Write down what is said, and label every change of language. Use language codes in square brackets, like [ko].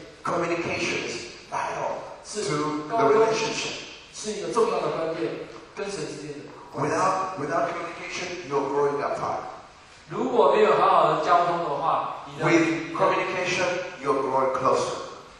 [en] Communication is vital to the relationship. [zh] 是一个重要的关键，跟神之间的关系。 [en] Without communication, you're growing apart. [zh] 如果没有好好的交通的话，你的。 [en] With communication, you're growing closer.